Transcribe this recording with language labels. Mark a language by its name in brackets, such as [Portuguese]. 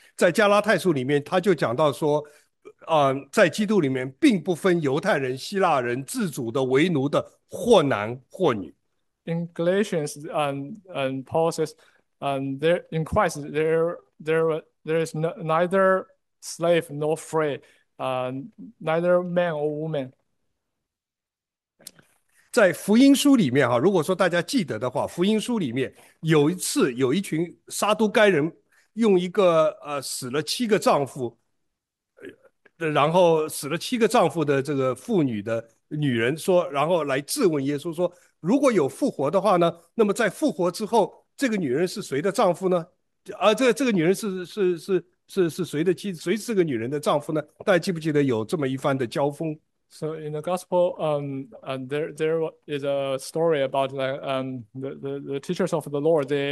[Chinese] 在加拉太书里面，他就讲到说，在基督里面并不分犹太人、希腊人、自主的、为奴的，或男或女。 [English] In Galatians, Paul says, there in Christ there is no, neither slave nor free, neither man or woman。 [Chinese] 在福音书里面，哈，如果说大家记得的话，福音书里面有一次，有一群撒都该人用一个死了七个丈夫，然后死了七个丈夫的这个妇女的女人说，然后来质问耶稣说，如果有复活的话呢，那么在复活之后，这个女人是谁的丈夫呢？啊，这个女人是谁的妻？谁是这个女人的丈夫呢？大家记不记得有这么一番的交锋？ [English] So in the gospel, there is a story about the teachers of the Lord.